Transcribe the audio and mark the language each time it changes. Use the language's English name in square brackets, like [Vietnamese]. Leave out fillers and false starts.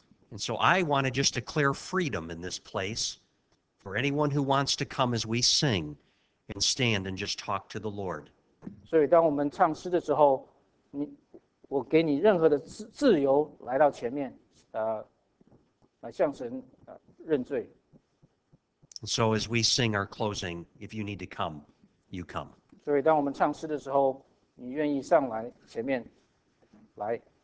[English] And so I want to just declare freedom in this place for anyone who wants to come as we sing and stand and just talk to the Lord. [Chinese] 所以当我们唱诗的时候我给你任何的自由来到前面来向神认罪。 [English] So as we sing our closing, if you need to come, you come. [Chinese] 所以当我们唱诗的时候你愿意上来前面来。